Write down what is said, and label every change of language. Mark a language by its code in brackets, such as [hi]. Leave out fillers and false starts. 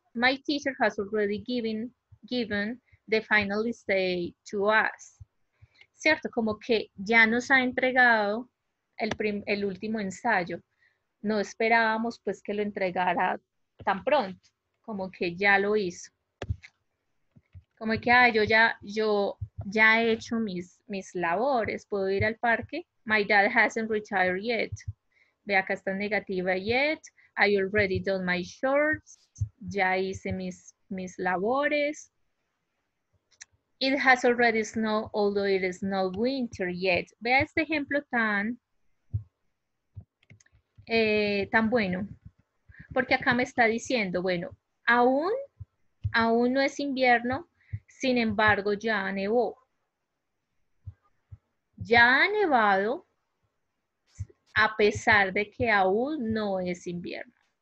[en] My teacher has already given the final essay to us. [es] ¿Cierto? Como que ya nos ha entregado el último ensayo. No esperábamos pues que lo entregara tan pronto, como que ya lo hizo. Como que, ay, yo ya he hecho mis labores, puedo ir al parque. [en] My dad hasn't retired yet. [es] Ve, acá está negativa [en] yet. I already done my chores. [es] Ya hice mis labores. [en] It has already snowed, although it is not winter yet. [es] Vea este ejemplo tan... tan bueno, porque acá me está diciendo, bueno, aún no es invierno, sin embargo ya nevó, ya ha nevado a pesar de que aún no es invierno.